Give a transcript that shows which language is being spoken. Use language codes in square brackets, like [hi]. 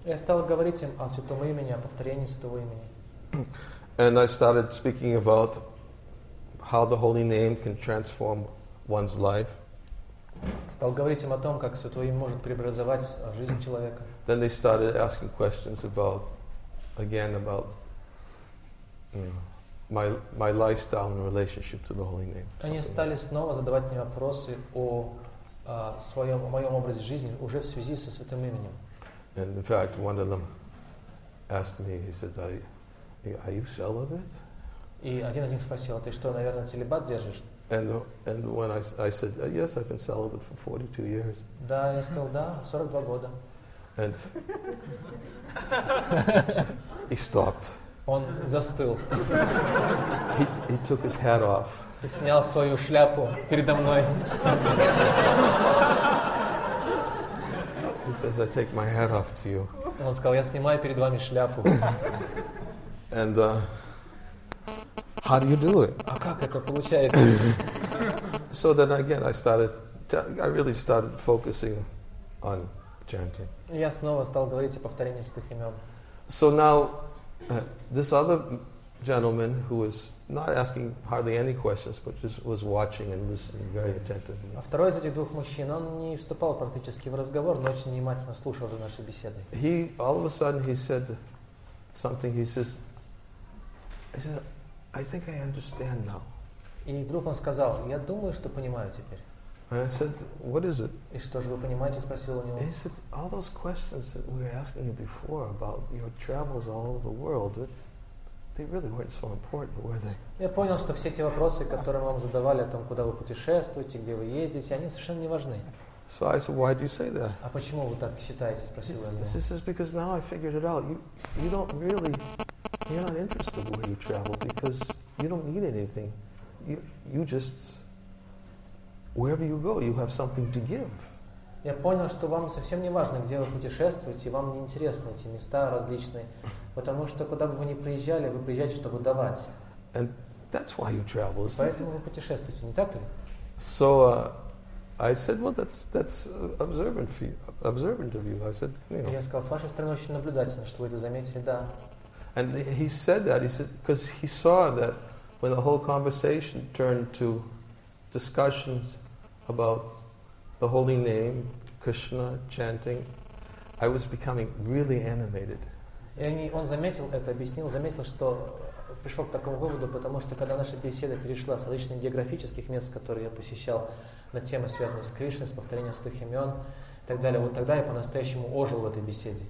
[ru] Я стал говорить им о святом имени, о повторении святого имени. [en] And I started speaking about how the holy name can transform one's life. [ru] Стал говорить им о том, как святое имя может преобразовать жизнь человека. [en] Then they started asking questions about, again, about, you know, My lifestyle and relationship to the holy name. [ru] Они стали снова задавать мне вопросы о своем, о моем образе жизни уже в связи со святым именем. [en] And in fact, one of them asked me. He said, "Are you celibate?" [ru] И один из них спросил: "Ты что, наверное, целибат держишь?" [en] And when I said, "Yes, I've been celibate for 42 years." [ru] Да, я сказал, да, 42 года. [en] And he stopped. [ru] Он застыл. [en] He took his hat off. [ru] И снял свою шляпу передо мной. [en] He says, "I take my hat off to you." [ru] Он сказал, я снимаю перед вами шляпу. [en] And how do you do it? [ru] А как это получается? [en] So then again, I really started focusing on chanting. [ru] Я снова стал говорить о повторении святых имен. [en] So now. This other gentleman who was not asking hardly any questions, but just was watching and listening very attentively. [ru] А второй из этих двух мужчин, он не вступал практически в разговор, но очень внимательно слушал за нашей беседой. [en] He all of a sudden he said something. He says, "I think I understand now." [ru] И вдруг он сказал: "Я думаю, что понимаю теперь." [en] And I said, what is it? [ru] И что же вы понимаете, спросил у него. [en] He said, all those questions that we were asking you before about your travels all over the world, they really weren't so important, were they? [ru] Я понял, что все эти вопросы, которые мы вам задавали о том, куда вы путешествуете, где вы ездите, они совершенно не важны. [en] So I said, why do you say that? [ru] А почему вы так считаете, спросил он. [en] This is because now I figured it out. You're not interested where you travel because you don't need anything. You just wherever you go, you have something to give. [ru] Я понял, что вам совсем не важно, где вы путешествуете, вам не интересны эти места различные, потому что куда бы вы ни приезжали, вы приезжаете, чтобы давать. [en] And that's why you travel. [ru] Поэтому вы путешествуете, не так ли? [en] So I said, well, that's observant for you, observant of you. I said, you know. [ru] Я сказал, с вашей стороны очень наблюдательно, что вы это заметили, да. [en] And he said that, he said, because he saw that when the whole conversation turned to discussions about the holy name, Krishna, chanting, I was becoming really animated. [ru] И он заметил это, объяснил, заметил, что пришел к такому выводу, потому что когда наша беседа перешла с различных географических мест, которые я посещал, на темы, связанные с Кришной, с повторением 100 имен и так далее, вот тогда я по-настоящему ожил в этой беседе.